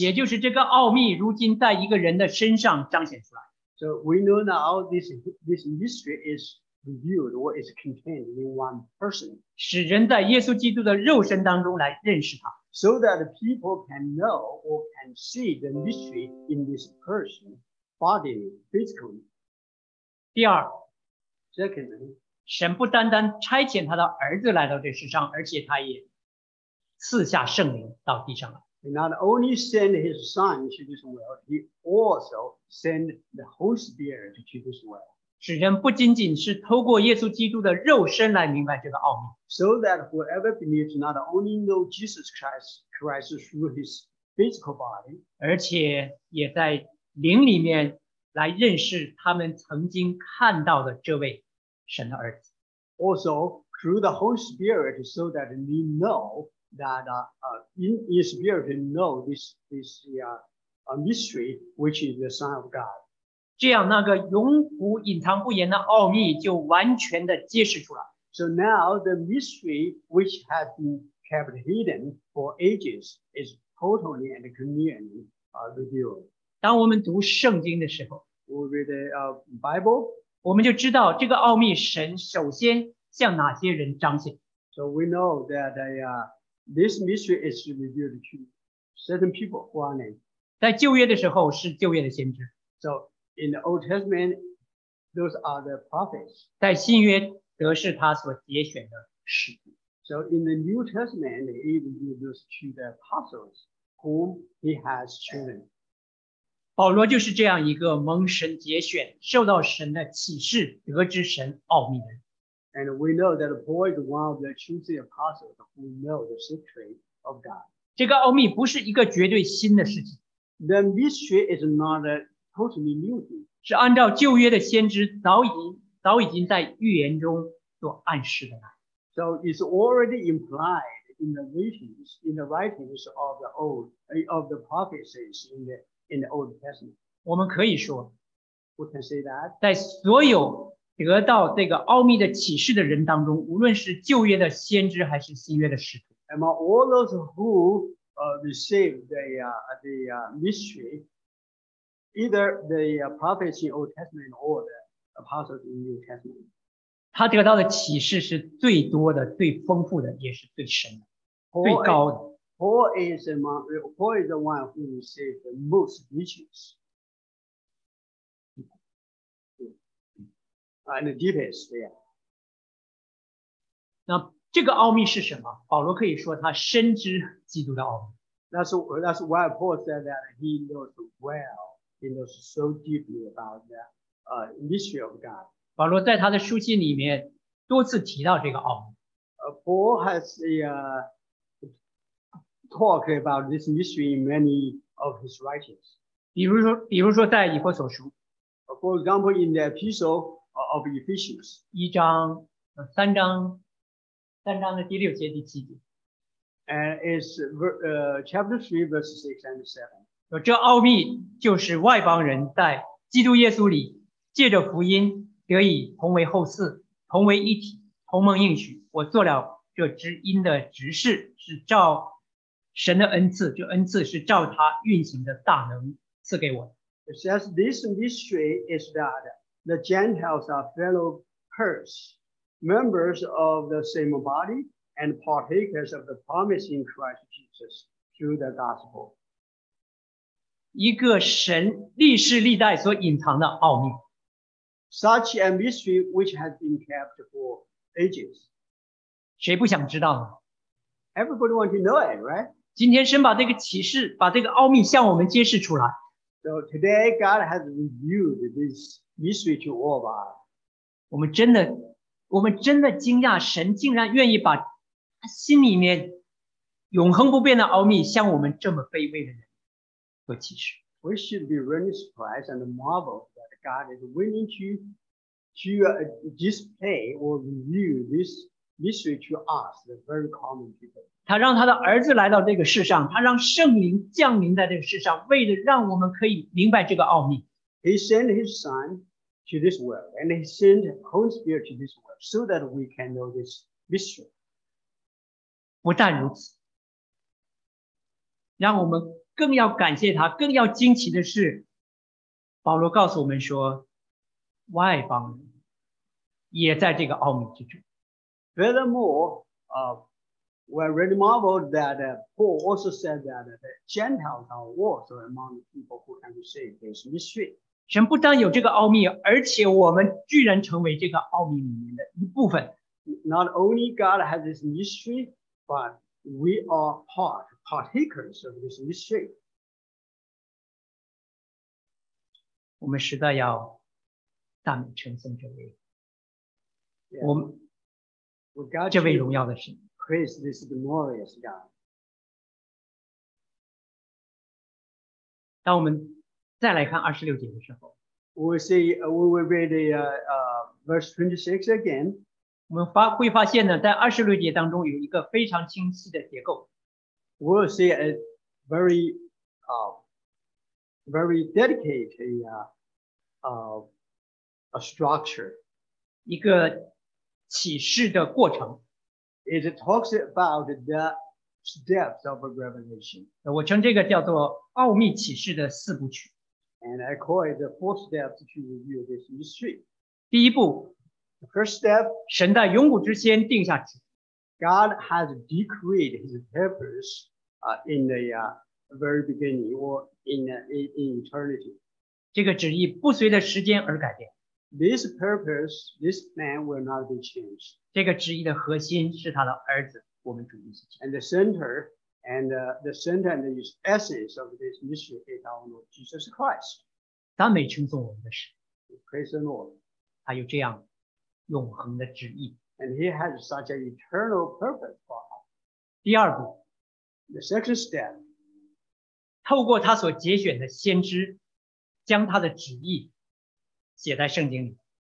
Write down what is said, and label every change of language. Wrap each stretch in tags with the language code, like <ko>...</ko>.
<zh>也就是这个奥秘如今在一个人的身上彰显出来。</zh> <en>So we know now this mystery is revealed or is contained in one person.</en> <zh>使人在耶稣基督的肉身当中来认识他。</zh> <en>So that people can know or can see the mystery in this person, bodily, physically.</en> <zh>第二</zh> <en>Secondly,</en> <zh>神不单单差遣他的儿子来到这世上，而且他也赐下圣灵到地上来。</zh> <en>He not only sent his son to this world, he also sent the Holy Spirit to this world.</en> <zh>使人不仅仅是透过耶稣基督的肉身来明白这个奥秘。</zh> <en>So that whoever believes not only know Jesus Christ through his physical body,</en> <zh>而且也在灵里面来认识他们曾经看到的这位神的儿子。</zh> <en>Also, through the Holy Spirit, so that we know that in spirit know this mystery, which is the Son of God.</en> <zh>这样那个永不隐藏不言的奥秘就完全的揭示出来。</zh> <en>So now the mystery which has been kept hidden for ages is totally and clearly revealed.</en> <zh>当我们读圣经的时候</zh> <en>We read the Bible.</en> <zh>我们就知道这个奥秘神首先向哪些人彰显。</zh> <en>So we know that this mystery is revealed to certain people who are named.</en> <zh>在旧约的时候是旧约的先知。</zh> <en>So,In the Old Testament, those are the prophets.</en> <zh>在新约则是他所节选的使徒。</zh> <en>So in the New Testament, he introduced to the apostles whom he has chosen.</en> <zh>保罗就是这样一个蒙神节选、受到神的启示、得知神奥秘的人。</zh> <en>And we know that Paul is one of the chosen apostles who know the secret of God.</en> <zh>这个奥秘不是一个绝对新的事情。</zh> <en>The mystery is not a totally new thing.</en> <zh>是按照旧约的先知早已经在预言中所暗示的。</zh> <en>So it's already implied in the writings, of the prophecies in the Old Testament.</en> <zh>我们可以说</zh> <en>We can say that.</en> <zh>在所有得到这个奥秘的启示的人当中，无论是旧约的先知还是新约的使徒。</zh> <en>Among all those who received the mystery,Either the prophets in Old Testament or the apostles in New Testament.</en> <zh>他得到的启示是最多的、最丰富的，也是最深的、最高的。</zh> <en>Paul is the one who received the most riches and the deepest. Yeah.</en> <zh>那这个奥秘是什么？保罗可以说他深知基督的奥秘。</zh> <en>That's why Paul said that he knows well. He knows so deeply about the mystery of God.</en> <zh>保罗在他的书信里面多次提到这个奥秘。</zh> <en>Paul has talked about this mystery in many of his writings.</en> <zh>比如说在以弗所书。</zh> <en>For example, in the Epistle of Ephesians.</en> <zh>三章的第六节第七节。</zh> <en>And it's chapter 3, verses 6 and 7.</en> <zh>这奥秘就是外邦人在基督耶稣里借着福音得以同为后嗣同为一体同盟应许我做了这知音的执事是照神的恩赐这恩赐是照他运行的大能赐给我</zh> <en>It says this mystery is that the Gentiles are fellow heirs members of the same body and partakers of the promise in Christ Jesus through the gospel</en> <zh>一个神历世历代所隐藏的奥秘</zh> <en>Such a mystery which has been kept for ages</en> <zh>谁不想知道呢</zh> <en>Everybody wants to know it, right?</en> <zh>今天神把这个启示把这个奥秘向我们揭示出来</zh> <en>So today God has revealed this mystery to all of us</en> <zh>我们真的惊讶神竟然愿意把他心里面永恒不变的奥秘向我们这么卑微的人</zh> <en>We should be really surprised and marveled that God is willing to display or reveal this mystery to us, the very common people.</en> <zh>他让他的儿子来到这个世上，他让圣灵降临在这个世上，为了让我们可以明白这个奥秘。</zh> <en>He sent his son to this world, and he sent Holy Spirit to this world, so that we can know this mystery.</en> <zh>不但如此，让我们更要感谢他，更要惊奇的是，保罗告诉我们说，外邦人，也在这个奥秘之中。</zh> <en>Furthermore, we are really marveled that Paul also said that the Gentiles are also among the people who can be saved. There's mystery.</en> <zh>神不但有这个奥秘，而且我们居然成为这个奥秘里面的一部分。</zh> <en>Not only God has this mystery, but we are partakers of this mystery.</en> <zh>我们实在要赞美称颂这位，</zh> <en>yeah.</en> <zh>我们</zh> <en>we got</en> <zh>这位荣耀的神。</zh> <en>Praise this glorious God.</en> <zh>当我们再来看二十六节的时候，</zh> <en>we will read verse 26 again.</en> <zh>我们会发现呢，在二十六节当中有一个非常清晰的结构。</zh> <en>We'll see a very dedicated a structure.</en> <zh>一个启示的过程。</zh> <en>It talks about the steps of a revelation.</en> <zh>我称这个叫做奥秘启示的四部曲。</zh> <en>And I call it the four steps to review this mystery.</en> <zh>第一步，</zh> <en>the first step,</en> <zh>神在永古之先定下旨意。</zh> <en>God has decreed his purpose in the very beginning or in eternity.</en> <zh>这个旨意不随着时间而改变。</zh> <en>This purpose, this plan will not be changed.</en> <zh>这个旨意的核心是他的儿子，我们主耶稣基督。</zh> <en>And the center,And the center and the essence of this mystery is our Lord Jesus Christ.</en> <zh>赞美称颂我们的神。</zh> <en>Praise the Lord.</en> <zh>他有这样永恒的旨意。</zh> <en>And he has such an eternal purpose for us.</en> <zh>第二步。</zh> <en>The second step.</en> <zh>透过他所节选的先知，将他的旨意写在圣经里。</zh>